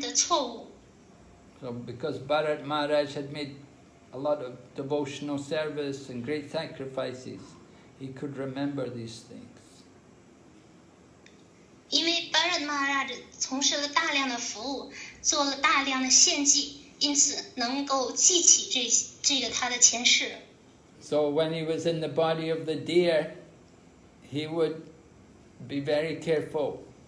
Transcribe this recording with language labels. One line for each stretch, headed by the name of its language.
English: So because Bharat Maharaj had made a lot of devotional service and great sacrifices, he could remember these things.
Chinese: 因为巴仁玛拉日从事了大量的服务，做了大量的献祭，因此能够记起这个他的前世。
English: So when he was in the body of the deer, he would be very careful.